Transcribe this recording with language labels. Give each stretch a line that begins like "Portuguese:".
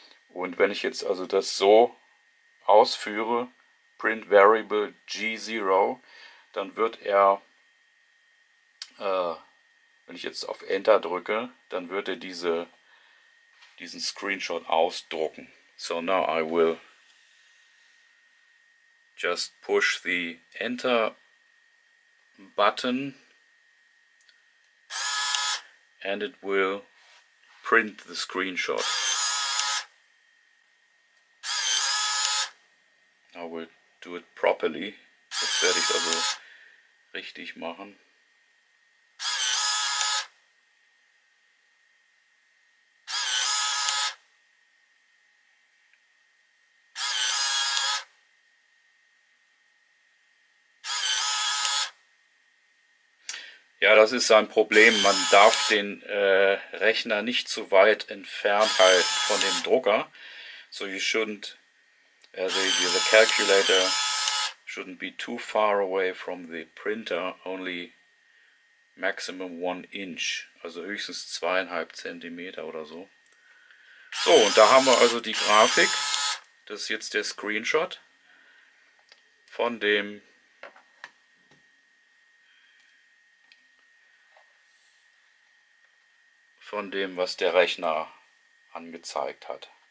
German: Und wenn ich jetzt also das so ausführe, print variable G0, dann wird er wenn ich jetzt auf Enter drücke, dann wird er diesen Screenshot ausdrucken.
English: So now I will just push the Enter button and it will print the screenshot. I will do it properly.
German: Das werde ich also richtig machen. Ja, das ist ein Problem. Man darf den Rechner nicht zu weit entfernt halten von dem Drucker.
English: So you shouldn't, the calculator shouldn't be too far away from the printer, only maximum 1 inch.
German: Also höchstens 2,5 Zentimeter oder so. So, und da haben wir also die Grafik. Das ist jetzt der Screenshot von dem von dem, was der Rechner angezeigt hat.